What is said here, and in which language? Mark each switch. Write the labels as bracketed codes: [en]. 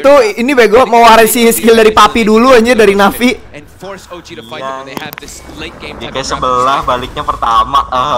[id] Itu ini bego mewarisi skill dari Papi dulu anjir, dari Navi. [en] Force OG to fight them, and they have this late game. [id] Dia kayak sebelah baliknya pertama.